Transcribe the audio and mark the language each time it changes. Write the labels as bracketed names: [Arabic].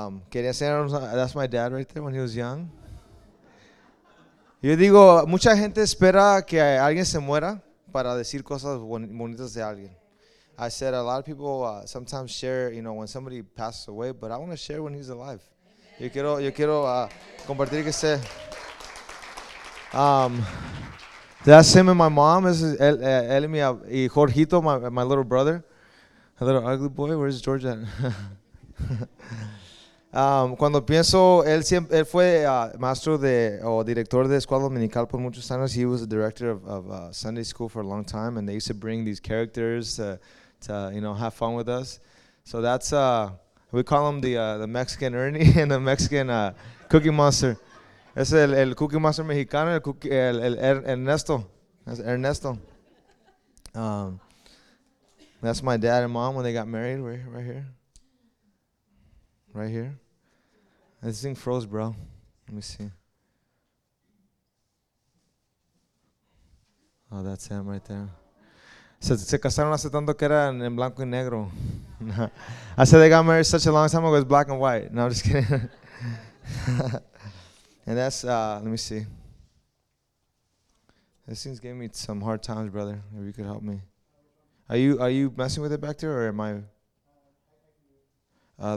[Spanish] Quería ser, [English] that's my dad right there when he was young. [Spanish] Yo digo, mucha gente espera que alguien se muera para decir cosas bonitas de alguien. [English] I said a lot of people sometimes share, you know, when somebody passes away, but I want to share when he's alive. [Spanish] Yo quiero compartir que sé. [English] That's him and my mom. This is [Spanish] él y Jorgito, [English] my little brother. A little ugly boy, where's George at? [Spanish] cuando pienso, él fue maestro de o director de escuela dominical por muchos años. [English] He was the director of Sunday school for a long time, and they used to bring these characters to you know, have fun with us. So that's we call him the Mexican Ernie and the Mexican Cookie Monster. [Spanish] Es el Cookie Monster mexicano, el Ernesto. [English] That's Ernesto. That's my dad and mom when they got married, right here. Right here. This thing froze, bro. Let me see. Oh, that's him right there. [Spanish] Se casaron hace tanto que eran en blanco y negro. [English] I said they got married such a long time ago, it's black and white. No, I'm just kidding. And that's, let me see. This thing's giving me some hard times, brother, if you could help me. Are you messing with it back there, or am I?